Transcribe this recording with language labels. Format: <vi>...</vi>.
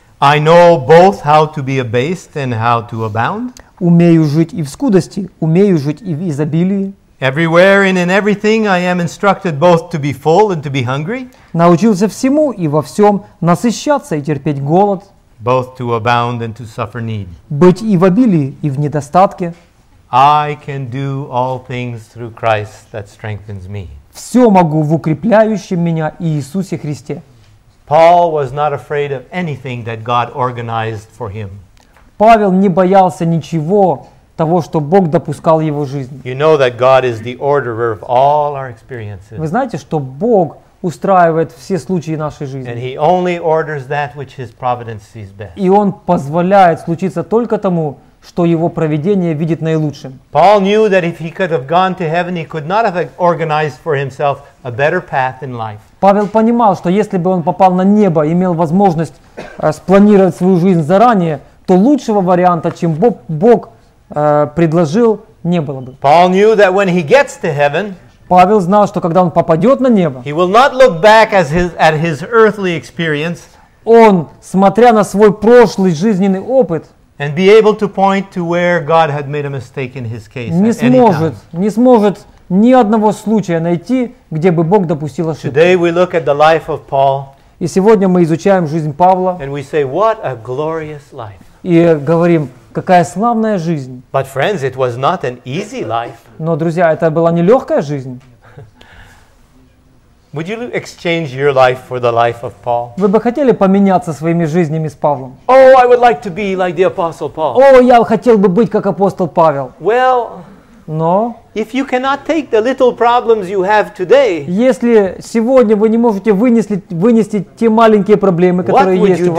<en>I know both how to be abased and how to abound.</en> <ru>Умею жить и в скудости, умею жить и в изобилии.</ru> <en>Everywhere and in everything I am instructed both to be full and to be hungry.</en> <ru>Научился всему и во всем насыщаться и терпеть голод.</ru> <en>Both to abound and to suffer need.</en> <ru>Быть и в обилии, и в недостатке.</ru> <en>I can do all things through Christ that strengthens me.</en> <ru>Все могу в укрепляющем меня Иисусе Христе.</ru> <en>Paul was not afraid of anything that God organized for him.</en> <ru>Павел не боялся ничего того, что Бог допускал его жизнь.</ru> <en>You know that God is the orderer of all our experiences.</en> <ru>Вы знаете, что Бог устраивает все случаи нашей жизни.</ru> <en>And he only orders that which his providence sees best.</en> <ru>И он позволяет случиться только тому, что его провидение видит наилучшим.</ru> <en>Paul knew that if he could have gone to heaven, he could not have organized for himself a better path in life.</en> <ru>Павел понимал, что если бы он попал на небо и имел возможность спланировать свою жизнь заранее, то лучшего варианта, чем Бог предложил, не было бы.</ru> <en>Paul knew that when he gets to heaven,</en> <ru>Павел знал, что когда он попадет на небо,</ru> <en>he will not look back at his earthly experience,</en> <ru>он, смотря на свой прошлый жизненный опыт,</ru> <en>and be able to point to where God had made a mistake in his case.</en> <ru>Не сможет ни одного случая найти, где бы Бог допустил ошибку.</ru> <en>Today we look at the life of Paul.</en> <ru>И сегодня мы изучаем жизнь Павла.</ru> <en>And we say, what a glorious life.</en> <ru>И говорим, какая славная жизнь.</ru> <en>But friends, it was not an easy life.</en> <ru>Но, друзья, это была не легкая жизнь.</ru> <en>Would you exchange your life for the life of Paul?</en> <ru>Вы бы хотели поменяться своими жизнями с Павлом?</ru> <en>Oh, I would like to be like the apostle Paul.</en> <ru>О, я хотел бы быть как апостол Павел.</ru> <en>Well,</en> <ru>но</ru> <en>if you cannot take the little problems you have today,</en> <ru>если сегодня вы не можете вынести те маленькие проблемы, которые есть у вас,</ru>